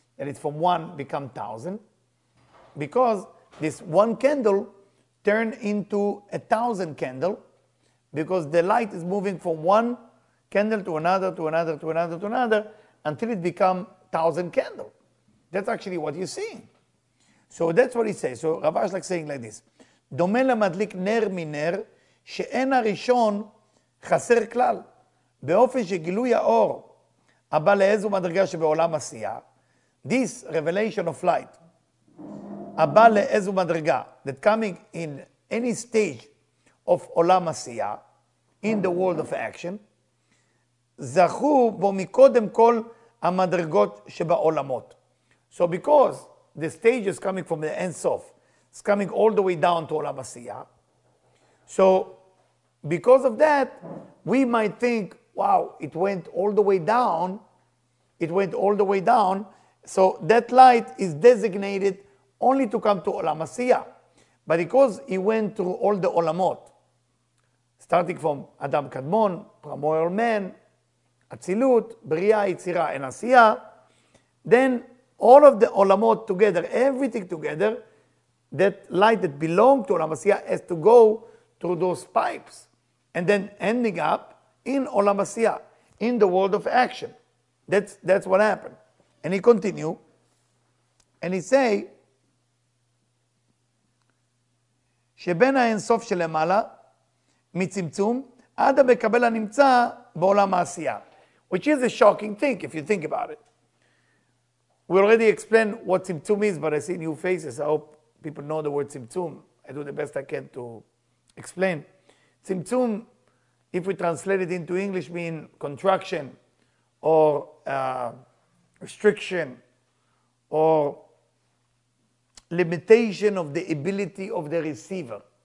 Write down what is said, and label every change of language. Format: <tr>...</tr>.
<en>That it from one become 1,000? Because this one candle turned into 1,000 candle. Because the light is moving from one candle to another, to another, to another, to another, until it become 1,000 candle. That's actually what you're seeing. So that's what he says. So Rav Ashlag saying like this.</en> <he>Domen lamadlik ner miner, שאין הראשון חסר כלל, באופן שגילוי האור הבא לאיזו מדרגה שבעולם עשייה,</he> <en>this revelation of light,</en> <he>הבא לאיזו מדרגה,</he> <en>that coming in any stage of</en> <he>עולם עשייה,</he> <en>in the world of action,</en> <he>זכו בו מקודם כל המדרגות שבעולמות.</he> <en>So because the stage is coming from the end soft, it's coming all the way down to עולם עשייה, so, because of that, we might think, wow, it went all the way down. It went all the way down. So that light is designated only to come to Olam Asiya. But because it went through all the Olamot, starting from Adam Kadmon, Primordial Man, Atzilut, Bria, Yitzira, and Asiya, then all of the Olamot together, everything together, that light that belonged to Olam Asiya has to go through those pipes. And then ending up in Olam Asiya, in the world of action. That's what happened. And he continued. And he say,</en> <he>שבין האין סוף שלמעלה, מצמצום, עד המקבל הנמצא בעולם העשייה.</he> <en>Which is a shocking thing, if you think about it. We already explained what צמצום is, but I see new faces. I hope people know the word צמצום. I do the best I can to explain. צמצום, if we translate it into English, mean contraction or restriction or limitation of the ability of the receiver.</en>